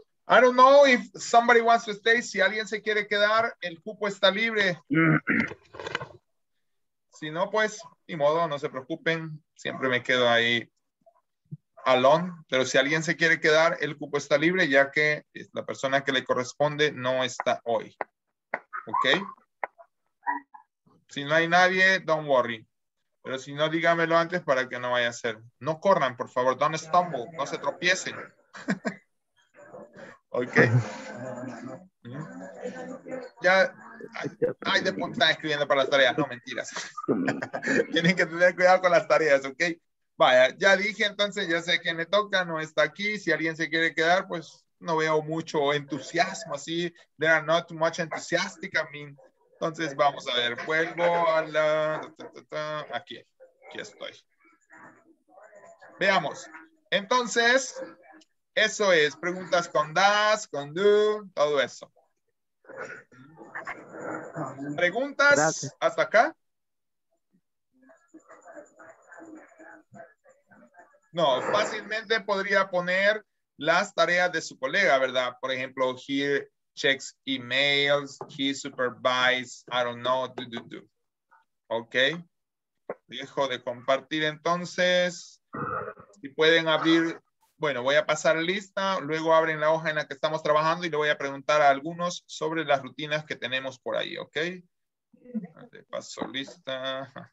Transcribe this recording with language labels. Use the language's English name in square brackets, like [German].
[English] I don't know if somebody wants to stay. [Spanish] Si alguien se quiere quedar, el cupo está libre. Si no, pues, ni modo, no se preocupen. Siempre me quedo ahí. [English] Alone, [Spanish] pero si alguien se quiere quedar, el cupo está libre, ya que la persona que le corresponde no está hoy. ¿Ok? Si no hay nadie, [English] don't worry. [Spanish] Pero si no, dígamelo antes para que no vaya a ser. No corran, por favor, [English] don't stumble, [Spanish] no se tropiecen. ¿Ok? Ya hay de punta escribiendo para las tareas, no mentiras. Tienen que tener cuidado con las tareas, ¿ok? Vaya, ya dije entonces, ya sé quién le toca, no está aquí. Si alguien se quiere quedar, pues no veo mucho entusiasmo, así. [English] There are not too much enthusiastic, I mean. [Spanish] Entonces vamos a ver, vuelvo a la... Aquí estoy. Veamos. Entonces, eso es, preguntas con does, con do, todo eso. ¿Preguntas? Gracias. ¿Hasta acá? No, fácilmente podría poner las tareas de su colega, ¿verdad? [English] Por ejemplo, he checks emails, he supervises, I don't know, do. [Spanish] Ok. Dejo de compartir entonces. Si pueden abrir, bueno, voy a pasar lista, luego abren la hoja en la que estamos trabajando y le voy a preguntar a algunos sobre las rutinas que tenemos por ahí, ¿ok? Le paso lista.